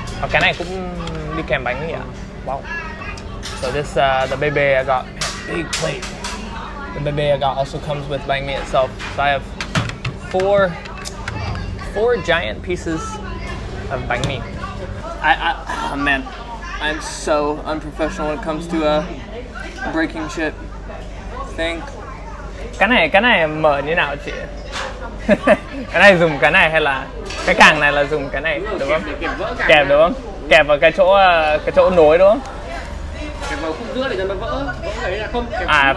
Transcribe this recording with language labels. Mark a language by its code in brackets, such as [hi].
[vi] Cái này cũng đi kèm bánh ấy ạ. [en] Wow. So this, the bebe I got, big plate. The bebe I got also comes with banh mi itself. So I have four giant pieces of banh mi. Oh man, I'm so unprofessional when it comes to a breaking shit thing. [vi] Cái này mở như nào chị? Cái này dùng cái này hay là cái càng này là dùng cái này đúng không? Kẹp đúng không? Kẹp vào cái chỗ nối đúng không? Kẹp vào khúc giữa để cho nó vỡ.